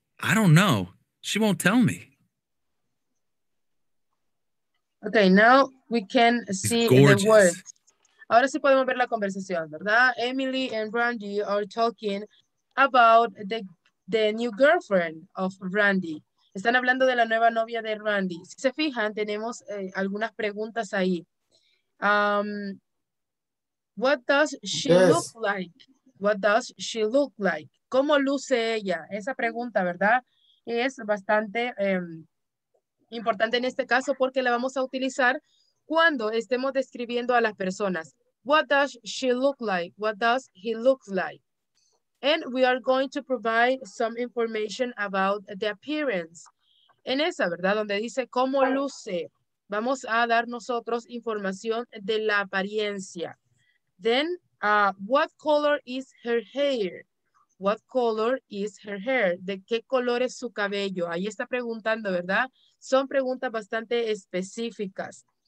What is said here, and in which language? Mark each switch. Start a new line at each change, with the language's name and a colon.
English: I don't know. She won't tell me. Okay, now we can see in the words.
Spanish: Ahora sí podemos ver la conversación, ¿verdad?
English: Emily and Randy are talking about the new girlfriend of Randy.
Spanish: Están hablando de la nueva novia de Randy. Si se fijan, tenemos algunas preguntas ahí.
English: What does she look like? What does she look like?
Spanish: ¿Cómo luce ella? Esa pregunta, ¿verdad? Es bastante importante en este caso porque la vamos a utilizar cuando estemos describiendo a las personas.
English: What does she look like? What does he look like? And we are going to provide some information about the appearance.
Spanish: En esa, ¿verdad? Donde dice cómo luce. Vamos a dar nosotros información de la apariencia.
English: Then, what color is her hair? What color is her hair?
Spanish: ¿De qué color es su cabello? Ahí está preguntando, ¿verdad? Son preguntas bastante específicas.